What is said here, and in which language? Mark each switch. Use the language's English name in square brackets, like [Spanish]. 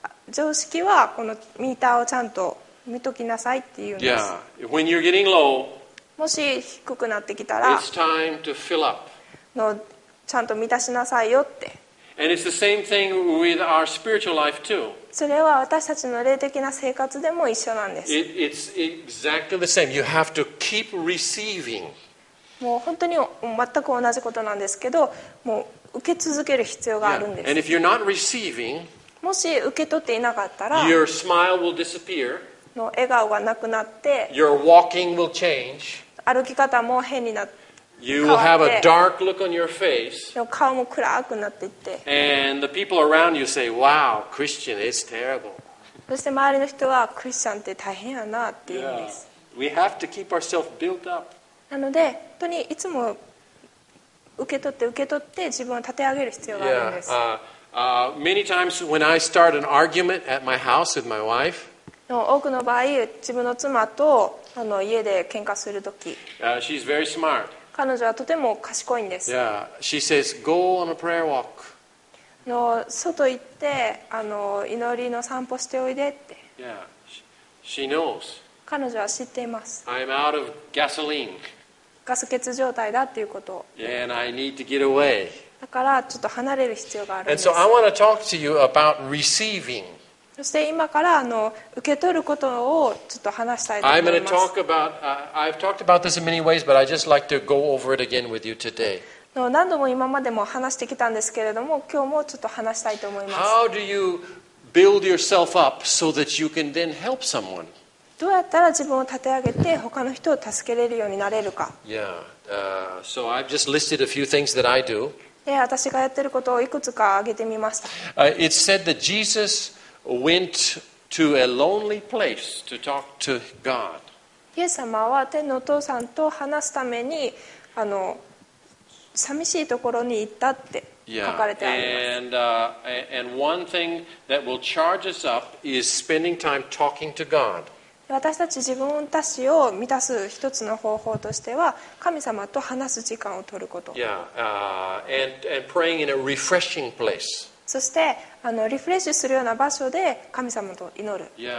[Japanese] 常識はこのミーターをちゃんと見ときなさいっていうんです [English] When you're getting low [Japanese] もし低くなってきたら [English] It's time to fill up [Japanese] のちゃんと満たしなさいよって [English] And it's the same thing with our spiritual life too. [Japanese] それは私たちの霊的な生活でも一緒なんです。 [English] It's exactly the same. You have to keep receiving. [Japanese] もう本当に全く同じことなんですけど、もう受け続ける必要があるんです。 [English] And if you're not receiving, [Japanese] もし受け取っていなかったら、 [English] your smile will disappear. [Japanese] の笑顔がなくなって、 [English] your walking will change. [Japanese] 歩き方も変になって、 [English] You will have a dark look on your face. [Japanese] でも顔も暗くなっていって。 [English] And the people around you say, "Wow, Christian, it's terrible." [Japanese] そして周りの人はクリスチャンって大変やなって言うんです。 [English] Yeah. We have to keep ourselves built up. [Japanese] なので本当にいつも受け取って受け取って自分を立て上げる必要があるんです。 [English] Yeah. Many times when I start an argument at my house with my wife. [Japanese] 多くの場合自分の妻と家で喧嘩するとき。 [English] She's very smart. [Japanese] 彼女はとても賢いんです。 [English] Yeah, she says, go on a prayer walk. [Japanese] の外行って祈りの散歩しておいでって。 [English] Yeah, she knows. [Japanese] 彼女は知っています。 [English] I'm out of gasoline. [Japanese] ガス欠状態だっていうこと。 [English] And I need to get away. [Japanese] だからちょっと離れる必要があるんです。 [English] And so I want to talk to you about receiving. [Japanese] そして今から受け取ることをちょっと話したいと思います。 [English] I'm going to talk about, I've talked about this in many ways, but I just like to go over it again with you today. [Japanese] 何度も今までも話してきたんですけれども、今日もちょっと話したいと思います。 [English] How do you build yourself up so that you can then help someone? [Japanese] どうやったら自分を立て上げて他の人を助けれるようになれるか。 [English] Yeah, so I've just listed a few things that I do. [Japanese] で、私がやってることをいくつか挙げてみました。 [English] It said that Jesus... went to a lonely place to talk to God. [Japanese] イエス様は天のお父さんと話すために寂しいところに行ったって書かれてあります。 [English] Yeah. And one thing that will charge us up is spending time talking to God. [Japanese] 私たち自分たちを満たす一つの方法としては神様と話す時間を取ること。 [English] Yeah. And praying in a refreshing place. [Japanese] そしてリフレッシュするような場所で神様と祈る。